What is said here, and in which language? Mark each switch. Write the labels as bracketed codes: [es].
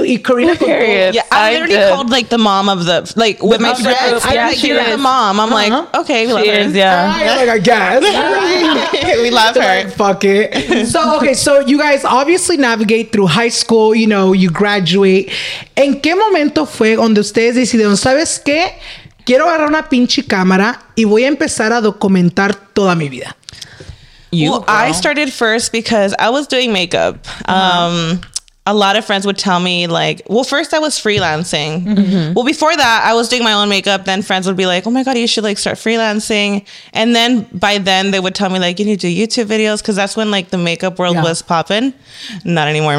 [es] Y Karina, [en] yeah, I literally called like the mom of the like with the my friend. Yeah, she's like, the mom. I'm like, okay, we love her. Like, I guess. We love her. Fuck it. So, okay, so you guys obviously navigate through high school, you know, you graduate. [es] ¿En qué momento fue donde ustedes decidieron, sabes qué? Quiero agarrar una pinche cámara y voy a empezar a documentar toda mi vida. [en] I started first because I was doing makeup. A lot of friends would tell me like, well, first I was freelancing. Mm-hmm. Well, before that I was doing my own makeup. Then friends would be like, oh my God, you should like start freelancing. And then by then they would tell me like, you need to do YouTube videos. Cause that's when like the makeup world was popping. Not anymore.